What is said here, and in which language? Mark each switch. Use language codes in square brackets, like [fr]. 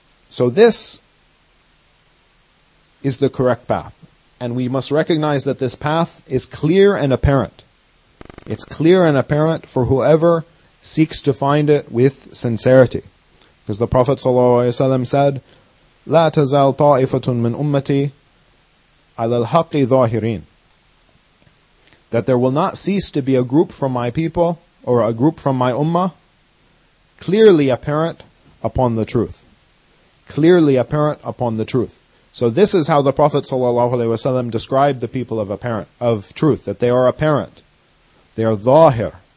[en] So this is the correct path. And we must recognize that this path is clear and apparent. It's clear and apparent for whoever seeks to find it with sincerity. Because the Prophet ﷺ said, [ar] لا تزال طائفة من أمتي على الحق ظاهرين. [en] That there will not cease to be a group from my people, or a group from my ummah, clearly apparent upon the truth. Clearly apparent upon the truth. So this is how the Prophet ﷺ described the people of truth, that they are apparent. They are ظاهر.